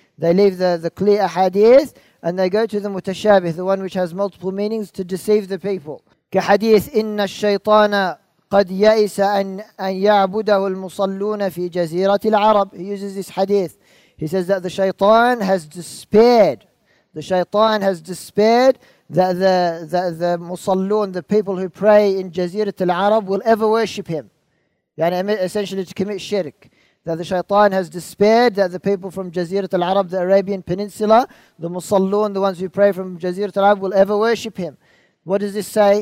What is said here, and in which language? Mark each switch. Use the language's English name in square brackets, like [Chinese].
[English] They leave the clear ahadith and they go to the متشابه, the one which has multiple meanings, to deceive the people. [Arabic] كحديث إن الشيطان قد يأس أن يعبده المصلون في جزيرة العرب. [English] He uses this hadith. He says that the shaitan has despaired. The shaitan has despaired that the musalloon, the people who pray in Jazirat al-Arab, will ever worship him. Yani essentially to commit shirk. That the shaitan has despaired that the people from Jazirat al-Arab, the Arabian Peninsula, the musalloon, the ones who pray from Jazirat al-Arab, will ever worship him. What does this say?